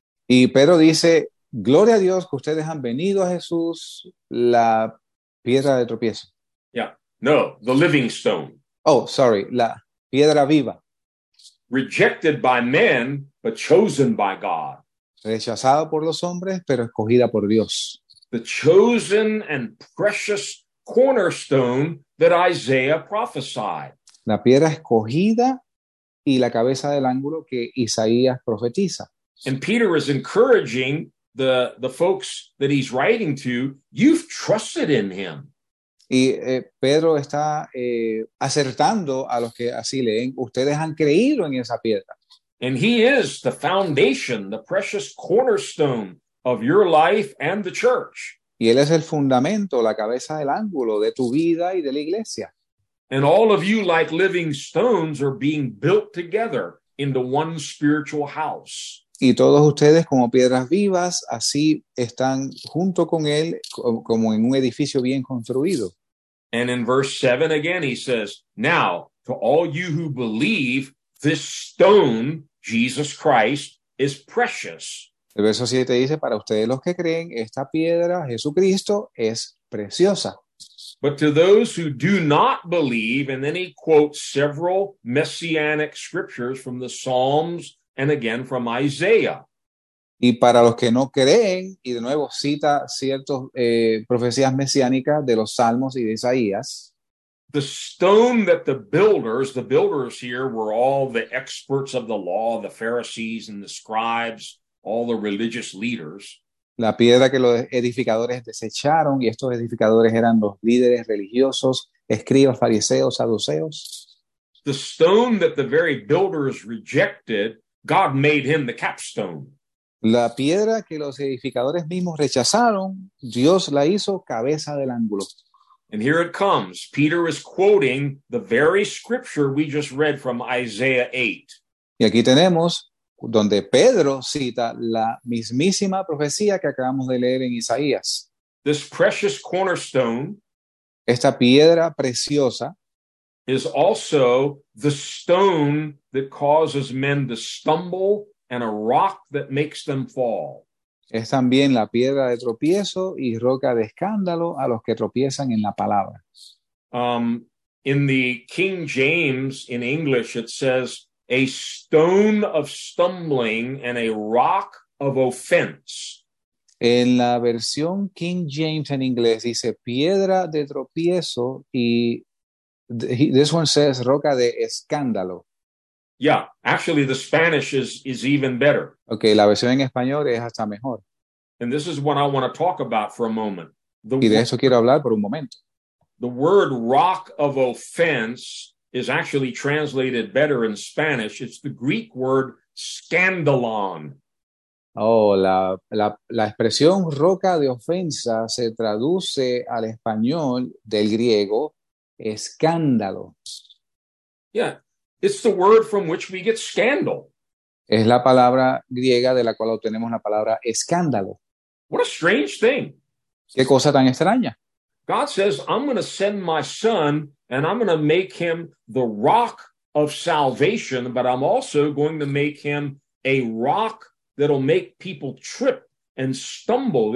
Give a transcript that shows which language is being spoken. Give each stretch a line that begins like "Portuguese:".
Spanish: Y Pedro dice, gloria a Dios que ustedes han venido a Jesús, la piedra de tropiezo.
English: Yeah, no, the living stone. Oh, sorry,
Spanish: la piedra viva.
English: Rejected by men, but chosen by God.
Spanish: Rechazado por los hombres, pero escogida por Dios.
English: The chosen and precious cornerstone that Isaiah prophesied.
Spanish: La piedra escogida y la cabeza del ángulo que Isaías profetiza.
English: And Peter is encouraging the folks that he's writing to, you've trusted in him.
Spanish: Y Pedro está acertando a los que así leen, ustedes han creído en esa piedra.
English: And he is the foundation, the precious cornerstone of your life and the church.
Spanish: Y él es el fundamento, la cabeza del ángulo de tu vida y de la iglesia.
English: And all of you, like living stones, are being built together into one spiritual house.
Spanish: Y todos ustedes, como piedras vivas, así están junto con él, como en un edificio bien construido.
English: And in verse 7 again, he says, now, to all you who believe, this stone, Jesus Christ, is precious.
Spanish: El verso 7 dice, para ustedes los que creen, esta piedra, Jesucristo, es preciosa.
English: But to those who do not believe, and then he quotes several messianic scriptures from the Psalms, and again from Isaiah.
Spanish: Y para los que no creen, y de nuevo cita ciertas profecías mesiánicas de los Salmos y de Isaías.
English: The stone that the builders here were all the experts of the law, the Pharisees and the scribes, all the religious leaders.
Spanish: La piedra que los edificadores desecharon, y estos edificadores eran los líderes religiosos, escribas, fariseos, saduceos.
English: The stone that the very builders rejected, God made him the capstone.
Spanish: La piedra que los edificadores mismos rechazaron, Dios la hizo cabeza del ángulo.
English: And here it comes. Peter is quoting the very scripture we just read from Isaiah 8.
Spanish: Y aquí tenemos donde Pedro cita la mismísima profecía que acabamos de leer en Isaías.
English: This precious cornerstone,
Spanish: esta piedra preciosa,
English: is also the stone that causes men to stumble and a rock that makes them fall.
Spanish: Es también la piedra de tropiezo y roca de escándalo a los que tropiezan en la palabra.
English: In the King James, in English, it says, a stone of stumbling and a rock of offense.
Spanish: En la versión King James en inglés dice piedra de tropiezo y
English: this one says
Spanish: roca de escándalo.
English: Yeah, actually the Spanish is even better.
Spanish: Okay, la versión en español es hasta mejor.
English: And this is what I want to talk about for a moment.
Spanish: Y de eso quiero hablar por un momento.
English: The word rock of offense is actually translated better in Spanish. It's the Greek word scandalon.
Spanish: Oh, la expresión roca de ofensa se traduce al español del griego escándalo.
English: Yeah. It's the word from which we get scandal.
Spanish: Es la palabra griega de la cual obtenemos la palabra escándalo.
English: What a strange thing.
Spanish: Qué cosa tan extraña.
English: God says, I'm going to send my son and I'm going to make him the rock of salvation, but I'm also going to make him a rock that'll make people trip and stumble.